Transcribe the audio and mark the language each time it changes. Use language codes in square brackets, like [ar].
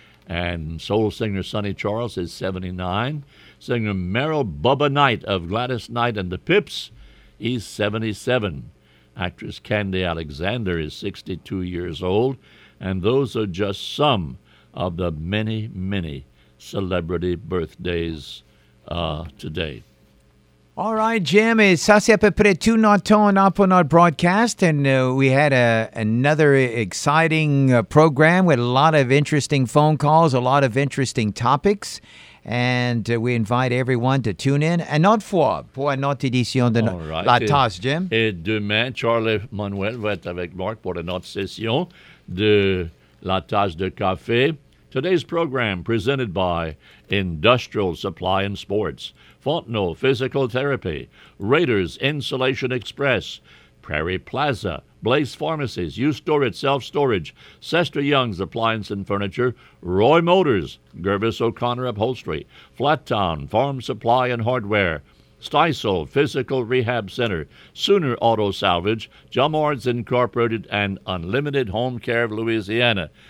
[en] And soul singer Sonny Charles is 79. Singer Merrill Bubba Knight of Gladys Knight and the Pips, he's 77. Actress Candy Alexander is 62 years old. And those are just some of the many, many celebrity birthdays today. All right, Jim. [fr] Ça, c'est à peu près tout notre temps pour notre broadcast. [en] And we had another exciting program with a lot of interesting phone calls, a lot of interesting topics. And we invite everyone to tune in. [fr] Une autre fois pour une autre édition de La Tasse, Jim. Et demain, Charlie Manuel va être avec Marc pour une autre session de La Tasse de Café. [en] Today's program presented by Industrial Supply and Sports, Fontenot Physical Therapy, Raiders Insulation Express, Prairie Plaza, Blaze Pharmacies, U-Storage, Self-Storage, Sester Young's Appliance and Furniture, Roy Motors, Gervis O'Connor Upholstery, Flat Town Farm Supply and Hardware, Stisol Physical Rehab Center, Sooner Auto Salvage, Jumards Incorporated, and Unlimited Home Care of Louisiana.